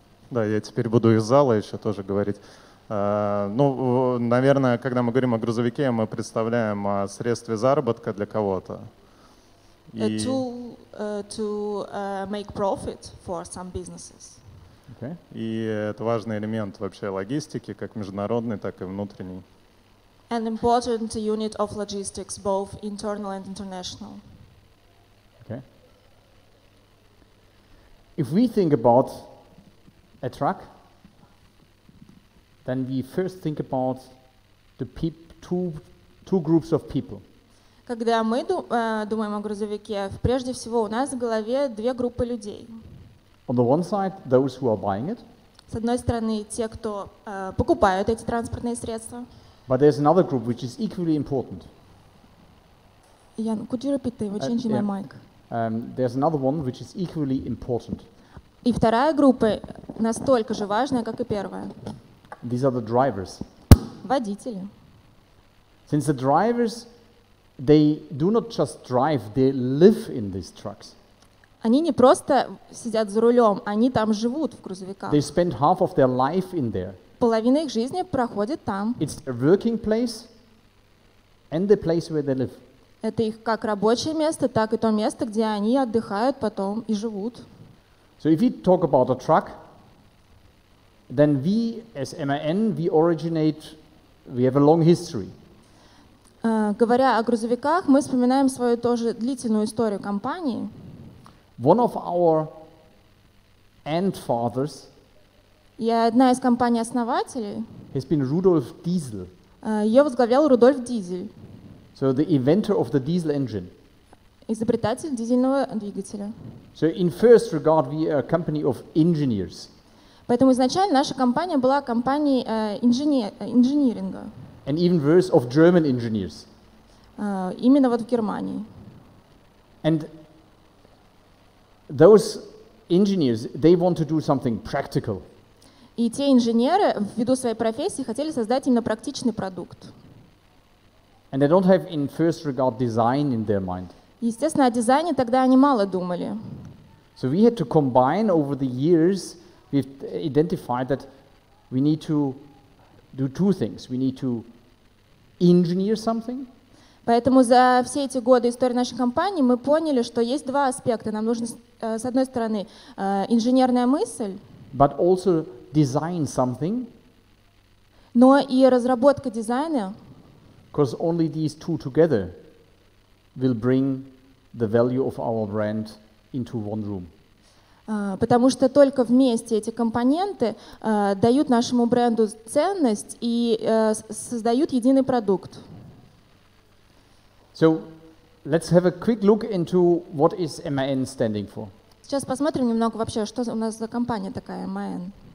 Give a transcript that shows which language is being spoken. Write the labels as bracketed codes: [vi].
[ru] Да, я теперь буду из зала еще тоже говорить. Наверное, когда мы говорим о грузовике, мы представляем о средстве заработка для кого-то. [en] Make profit for some businesses. Okay. [ru] И это важный элемент вообще логистики, как международный, так и внутренний. [en] An important unit of logistics, both internal and international. Okay. If we think about a truck, then we first think about the two groups of people. [ru] Когда мы думаем о грузовике, прежде всего у нас в голове две группы людей. [en] On the one side, those who are buying it. [ru] С одной стороны, те, кто покупают эти транспортные средства. [en] But there's another group which is equally important. Ian, could you repeat that? We're changing my mic. There's another one which is equally important. [ru] И вторая группа настолько же важная, как и первая. [en] These are the drivers. [ru] Водители. [en] Since the drivers, they do not just drive, they live in these trucks. [ru] Они не просто сидят за рулем, они там живут в грузовиках. [en] They spend half of their life in there. [ru] половина их жизни проходит там. [en] It's a working place and the place where they live. [ru] Это их как рабочее место, так и то место, где они отдыхают потом и живут. [en] So if we talk about a truck, then we as MAN, we originate, we have a long history. [ru] Говоря о грузовиках, мы вспоминаем свою тоже длительную историю компании. [en] One of our and fathers. [ru] И одна из компаний основателей. [en] Has been Rudolf Diesel. [ru] Ее возглавлял Рудольф Дизель. [en] So the inventor of the diesel engine. [ru] Изобретатель дизельного двигателя. [en] So in first regard, we are a company of engineers. [ru] Поэтому изначально наша компания была компанией инжиниринга. [en] And even worse, of German engineers. [ru] Именно вот в Германии. [en] And those engineers, they want to do something practical. [ru] И те инженеры, ввиду своей профессии, хотели создать именно практичный продукт. [en] And they don't have in first regard design in their mind. [ru] Естественно, о дизайне тогда они мало думали. [en] So we had to combine over the years, we've identified that we need to do two things. We need to engineer something. [ru] Поэтому за все эти годы истории нашей компании мы поняли, что есть два аспекта. Нам нужно, с одной стороны, инженерная мысль, [en] but also design something, [ru] но и разработка дизайна, [en] because only these two together will bring the value of our brand into one room. [ru] Потому что только вместе эти компоненты дают нашему бренду ценность и создают единый продукт. [en] So, let's have a quick look into what is MAN standing for. [ru] Сейчас посмотрим немного вообще, что у нас за компания такая MAN.